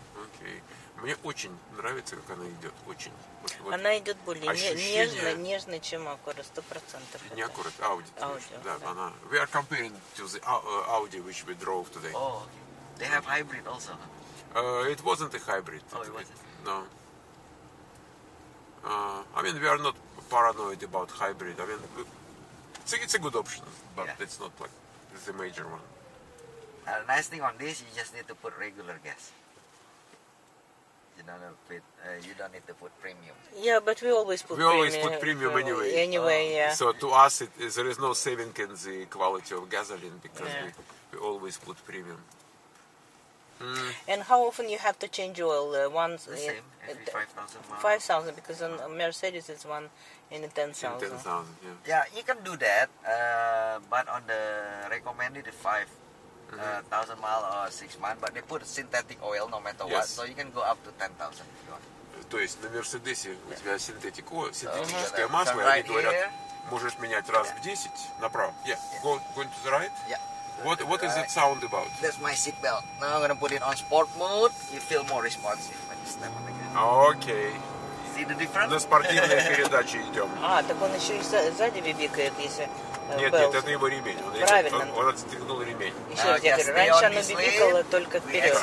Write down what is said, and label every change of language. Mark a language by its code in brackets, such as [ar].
[ru] Окей. Мне очень нравится, как она идет. Очень. Она идет более нежно, чем Acura, 100%. Не Acura, Audi. Да, она. [en] We are comparing to the Audi, which we drove today. Oh, they have hybrid also. It wasn't a hybrid. Oh, it wasn't. No. I mean, we are not paranoid about hybrid. I mean, it's a good option, but it's not like the major one. Nice thing on this, you just need to put regular gas. You don't need to put premium. Yeah, but we always put premium. We always put premium anyway. So to us, there is no saving in the quality of gasoline because we always put premium. And how often you have to change oil? Once, the same, every 5,000 miles. 5,000, because on Mercedes it's one in 10,000. In 10,000, yeah. Yeah, you can do that, but on the recommended 1,000 mile or 6 mile, but they put synthetic oil no matter what, so you can go up to 10,000 if you want. [ru] То есть на Mercedes у тебя [en] synthetic oil, [ru] синтетическое масло, и они говорят, можешь менять раз в 10 направо. [en] Yeah, going to the right? Yeah. What is that sound about? That's my seat belt. Now I'm gonna put it on sport mode, you feel more responsive when you step on the gas. Okay. See the difference? [ru] На спортивные передачи идем. А, так он еще и сзади бибикает, если... Нет, это его ремень. Он отстегнул ремень. Еще раз, теперь раньше оно бибикало только вперед.